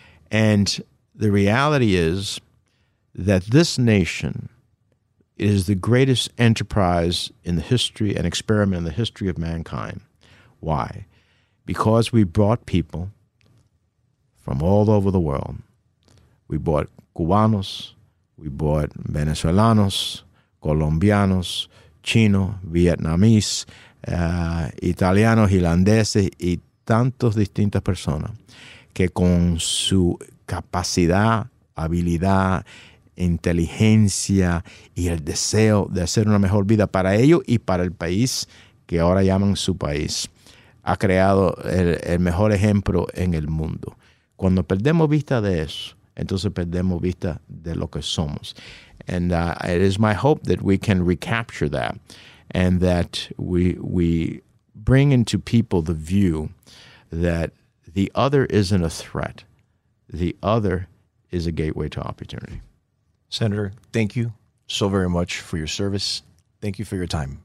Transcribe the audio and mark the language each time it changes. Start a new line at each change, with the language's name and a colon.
English: And the reality is that this nation is the greatest enterprise in the history and experiment in the history of mankind. Why? Because we brought people from all over the world. We bought Cubanos, we bought Venezuelanos, Colombianos, Chino, Vietnamese,
Spanish: Italiano, Irlandeses, y tantos distintas personas que con su capacidad, habilidad, inteligencia y el deseo de hacer una mejor vida para ellos y para el país que ahora llaman su país, ha creado el mejor ejemplo en el mundo. Cuando perdemos vista de eso, entonces perdemos vista de lo que somos.
English: And it is my hope that we can recapture that and that we bring into people the view that the other isn't a threat. The other is a gateway to opportunity. Senator, thank you so very much for your service. Thank you for your time.